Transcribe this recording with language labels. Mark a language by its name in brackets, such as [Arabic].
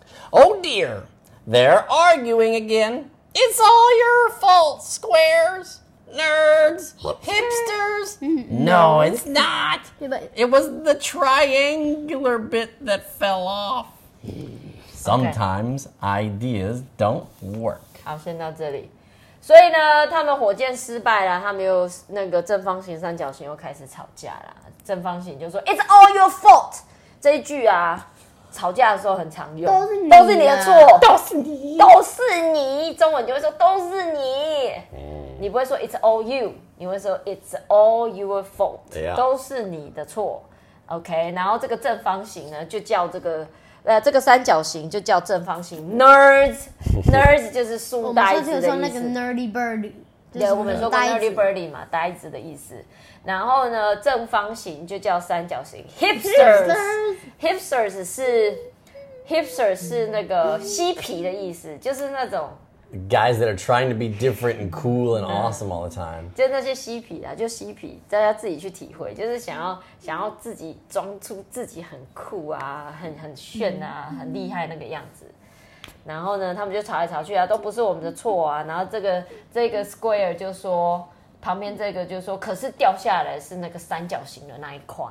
[English] Oh dear, they're arguing again. It's all your fault, squares. Nerds! Hipsters! No, it's not! It was the triangular bit that fell off. Sometimes ideas don't work. [Chinese] 好，先到这里。所以呢，他们火箭失败了，他们又那个正方形、三角形又开始吵架了。正方形就说 [English] "It's all your fault." [Chinese] 这一句啊，吵架的时候很常用，都是你的错，都是你，都是你。中文就会说都是你，你不会说 [English] "It's all you"， [Chinese] 你会说 [English] "It's all your fault."、 Yeah. [Chinese] 都是你的错。 OK， 然后这个正方形呢，就叫这个。这个三角形就叫正方形 ，nerds， nerds 就是书呆子的意思。我们说就是说那个 nerdy birdy，对，我们说过 nerdy birdy 嘛，呆子的意思。然后呢，正方形就叫三角形 ，hipsters， hipsters 是那个嬉皮的意思，就是那种 [English] guys that are trying to be different and cool and awesome all the time， [Chinese] 就那些嬉皮啊，就嬉皮，大家自己去体会，就是想要自己装出自己很酷啊，很炫啊，很厉害那个样子。然后呢，他们就吵来吵去啊，都不是我们的错啊。然后这个 square 就说，旁边这个就说，可是掉下来是那个三角形的那一块。